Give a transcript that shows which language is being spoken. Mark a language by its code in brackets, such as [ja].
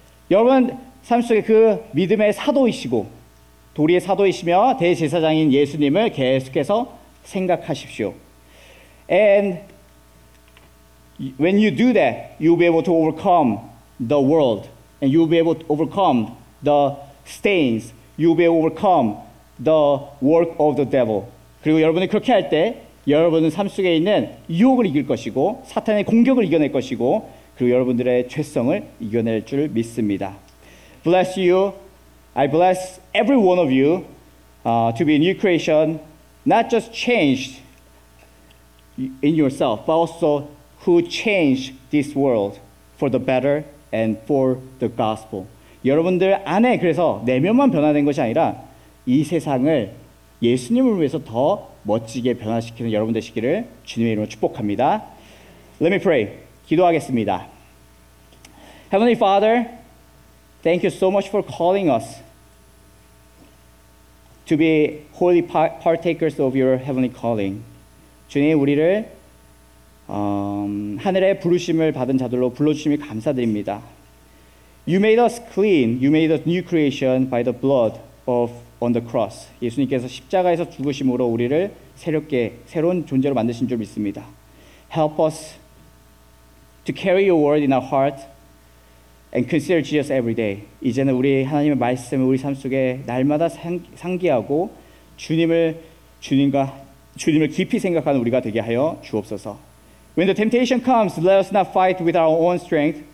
[ko] 여러분 삶 속에 그 믿음의 사도이시고 도리의 사도이시며 대제사장인 예수님을 계속해서 생각하십시오. [en] And when you do that, you'll be able to overcome the world and you'll be able to overcome the stains. You'll be able to overcome the work of the devil. [ko] 그리고 여러분이 그렇게 할 때 여러분은 삶 속에 있는 유혹을 이길 것이고 사탄의 공격을 이겨낼 것이고 그리고 여러분들의 죄성을 이겨낼 줄 믿습니다. [en] Bless you. I bless every one of you to be a new creation, not just changed in yourself, but also who changed this world for the better and for the gospel. [ko] 여러분들 안에 그래서 내면만 변화된 것이 아니라 이 세상을 예수님을 위해서 더 멋지게 변화시키는 여러분들 되시기를 주님의 이름으로 축복합니다. [en] Let me pray. [ko] 기도하겠습니다. [en] Heavenly Father, thank you so much for calling us to be holy partakers of your heavenly calling. [ko] 주님, 우리를 하늘의 부르심을 받은 자들로 불러주심이 감사드립니다. [en] You made us clean. You made us new creation by the blood of on the cross. [ko] 예수님께서 십자가에서 죽으심으로 우리를 새롭게 새로운 존재로 만드신 줄 믿습니다. [en] Help us to carry your word in our heart and consider Jesus every day. [ko] 이제는 우리 하나님의 말씀을 우리 삶 속에 날마다 상기하고 주님을 깊이 생각하는 우리가 되게 하여 주옵소서. [en] When the temptation comes, let us not fight with our own strength.